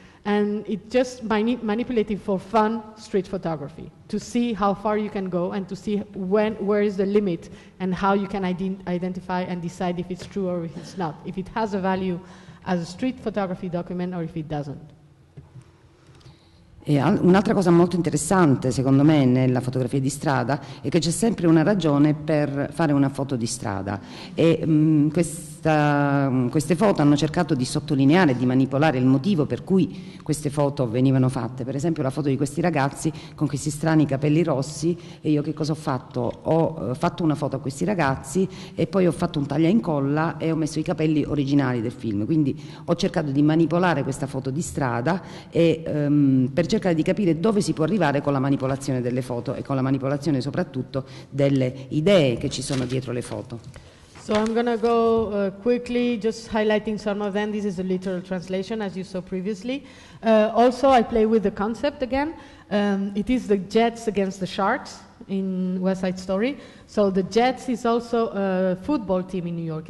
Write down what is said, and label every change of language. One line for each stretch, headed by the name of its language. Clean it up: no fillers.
English: And it just manipulating for fun street photography to see how far you can go and to see where is the limit and how you can identify and decide if it's true or if it's not, if it has a value as a street photography document or if it doesn't.
Italian: E un'altra cosa molto interessante secondo me nella fotografia di strada è che c'è sempre una ragione per fare una foto di strada e queste foto hanno cercato di sottolineare, di manipolare il motivo per cui queste foto venivano fatte. Per esempio la foto di questi ragazzi con questi strani capelli rossi, e io che cosa ho fatto? Ho fatto una foto a questi ragazzi e poi ho fatto un taglia e incolla e ho messo i capelli originali del film, quindi ho cercato di manipolare questa foto di strada e per cercare di capire dove si può arrivare con la manipolazione delle foto e con la manipolazione soprattutto delle idee che ci sono dietro le foto.
English: So I'm going to go quickly, just highlighting some of them. This is a literal translation, as you saw previously. Also, I play with the concept again. It is the Jets against the Sharks in West Side Story. So the Jets is also a football team in New York.